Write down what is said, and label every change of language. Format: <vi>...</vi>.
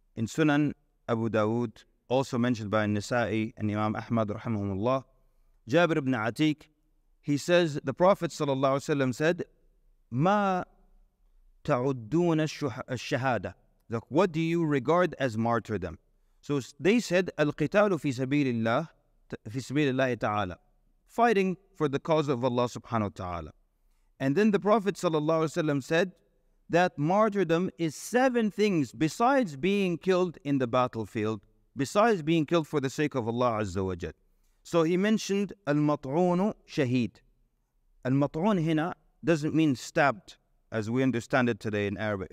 <en>In Sunan Abu Dawood, also mentioned by Nisa'i and Imam Ahmad rahimahullah, Jabir ibn Atik, he says, the Prophet sallallahu alaihi wasallam said,</en> <ar>مَا تَعُدُّونَ الشَّهَادَةَ.</ar> <en>Like, what do you regard as martyrdom? So they said,</en> <ar>الْقِتَالُ فِي سَبِيلِ اللَّهِ تَعَالَى.</ar> <en>Fighting for the cause of Allah subhanahu wa ta'ala. And then the Prophet sallallahu alaihi wasallam said that martyrdom is seven things besides being killed in the battlefield, besides being killed for the sake of Allah Azza wa Jal. So he mentioned al-mat'unu shaheed. Al-mat'un hina doesn't mean stabbed as we understand it today in Arabic.</en>